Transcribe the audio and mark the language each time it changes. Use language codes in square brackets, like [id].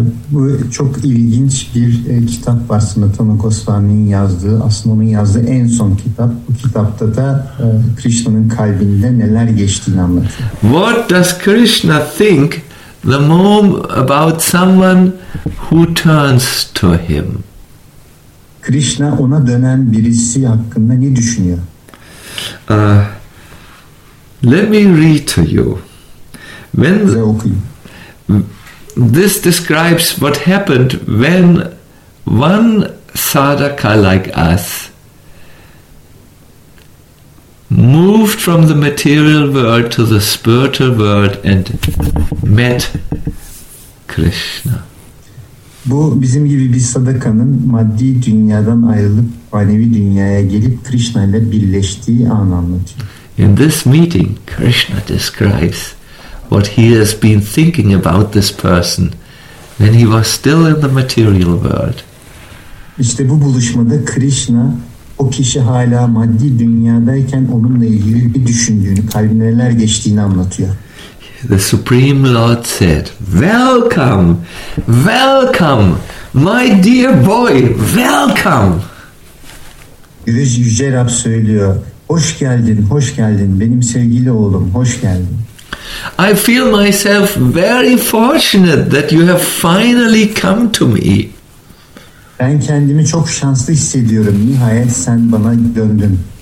[tr] Bu çok ilginç bir kitap var, Sanatana Goswami'nin yazdığı, aslında onun yazdığı en son kitap. Bu kitapta da Krishna'nın kalbinde neler geçtiğini anlatıyor. [en] What does Krishna think the moment about someone who turns to him? [tr] Krishna ona dönen birisi hakkında ne düşünüyor? [en] Let me read to you. When this describes what happened when one sadaka like us moved from the material world to the spiritual world and met Krishna. [tr] Bu bizim gibi bir sadakanın maddi dünyadan ayrılıp manevi dünyaya gelip Krishna ile birleştiği an anlatıyor. [en] In this meeting, Krishna describes what he has been thinking about this person when he was still in the material world. [tr] İşte bu buluşmada Krishna o kişi hala maddi dünyadayken onunla ilgili bir düşündüğünü, kalbine neler geçtiğini anlatıyor. [en] The Supreme Lord said, "Welcome, welcome, my dear boy, welcome." [tr] Yüce Rab söylüyor, "Hoş geldin, hoş geldin, benim sevgili oğlum, hoş geldin." [en] I feel myself very fortunate that you have finally come to me. [tr] Ben kendimi çok şanslı hissediyorum. Nihayet sen bana döndün.